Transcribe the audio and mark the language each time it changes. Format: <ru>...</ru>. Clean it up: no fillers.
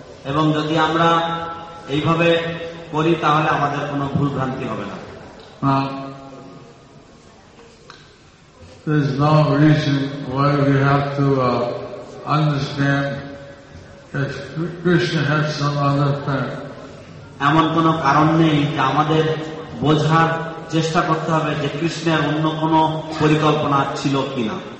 <bn>এবং যদি আমরা এইভাবে করি তাহলে আমাদের কোন ভুল ভ্রান্তি হবে না।</bn> <en>There is no reason why we have to understand that Krishna has some other plan.</en> <bn>এমন কোন কারণ নেই যে আমাদের বোঝার চেষ্টা করতে হবে যে কৃষ্ণের অন্য কোন পরিকল্পনা ছিল কিনা।</bn>